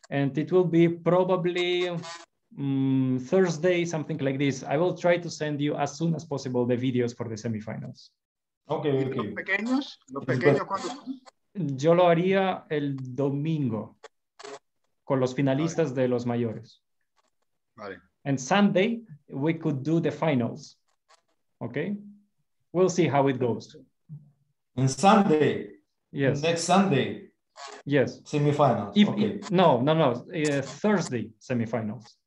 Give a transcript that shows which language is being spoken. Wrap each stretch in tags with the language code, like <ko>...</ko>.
<en>And it will be probably Thursday, something like this. I will try to send you as soon as possible the videos for the semi-finals. Okay, okay.</en> <es>¿Los pequeños? ¿Los pequeños cuántos? Yo lo haría el domingo con los finalistas de los mayores. Vale.</es> <en>And Sunday, we could do the finals, okay? We'll see how it goes. And Sunday? Yes. Next Sunday? Yes. Semifinals. No. Thursday semifinals.</en>